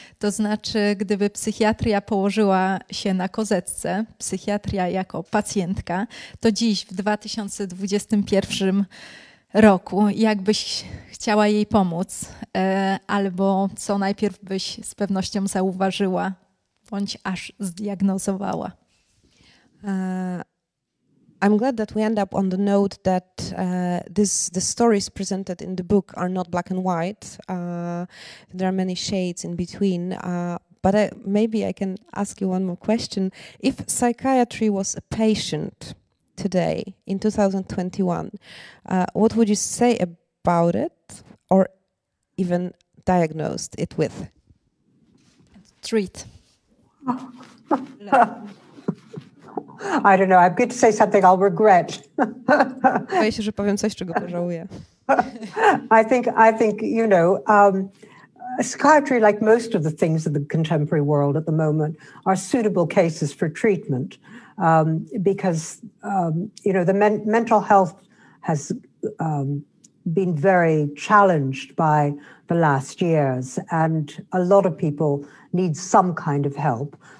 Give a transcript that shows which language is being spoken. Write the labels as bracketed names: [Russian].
[Polish] To znaczy, gdyby psychiatria położyła się na kozetce, psychiatria jako pacjentka, to dziś w 2021 roku, jakbyś chciała jej pomóc, albo co najpierw byś z pewnością zauważyła, bądź aż zdiagnozowała? [English] I'm glad that we end up on the note that the stories presented in the book are not black and white. There are many shades in between. But maybe I can ask you one more question. If psychiatry was a patient today in 2021, what would you say about it or even diagnosed it with? Treat. I don't know. I'm going to say something I'll regret. [Polish] Boję się, że powiem coś, czego pożałuję. [English] I think you know, psychiatry, like most of the things in the contemporary world at the moment, are suitable cases for treatment because mental health has been very challenged by the last years, and a lot of people need some kind of help.